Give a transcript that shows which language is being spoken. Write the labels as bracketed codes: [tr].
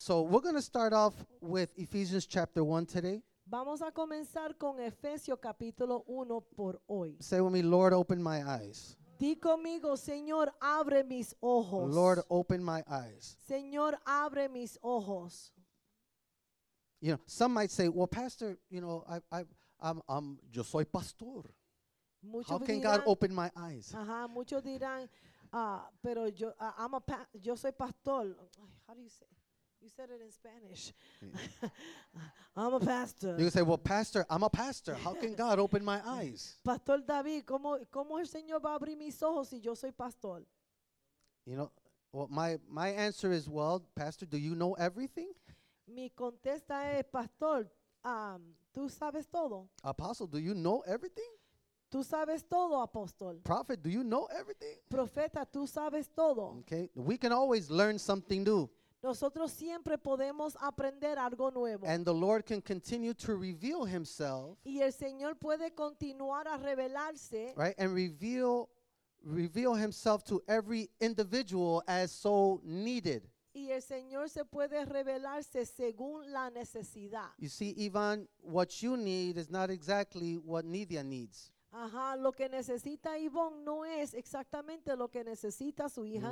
[en] So we're going to start off with Ephesians chapter 1 today. [es] Vamos a comenzar con Efesios capítulo 1 por hoy. [en] Say with me, Lord, open my eyes. [es] Di conmigo, Señor, abre mis ojos. [en] Lord, open my eyes. [es] Señor, abre mis ojos. [en] You know, some might say, well, pastor, you know, I'm [es] yo soy pastor. Muchos [en] How [es] dirán, [en] can God open my eyes? [es] Ajá, muchos dirán, pero yo, [en] I'm a pa- [es] yo soy pastor. [en] How do you say it? You said it in Spanish. I'm a pastor. You say, well, pastor, I'm a pastor. How can God open my eyes? [es] Pastor David, ¿cómo el Señor va a abrir mis ojos si yo soy pastor? [en] You know, well, my answer is, well, pastor, do you know everything? [es] Mi contesta es, pastor, ¿tú sabes todo? [en] Apostle, do you know everything? [es] ¿Tú sabes todo, apóstol? [en] Prophet, do you know everything? [es] Profeta, ¿tú sabes todo? [en] Okay, we can always learn something new. [es] Nosotros siempre podemos aprender algo nuevo. [en] And the Lord can continue to reveal himself. [es] Y el Señor puede continuar a revelarse. [en] Right, and reveal himself to every individual as so needed. [es] Y el Señor se puede revelarse según la necesidad. [en] You see, Ivan, what you need is not exactly what Nidia needs. [es] Ajá, lo que necesita Ivonne no es exactamente lo que necesita su hija,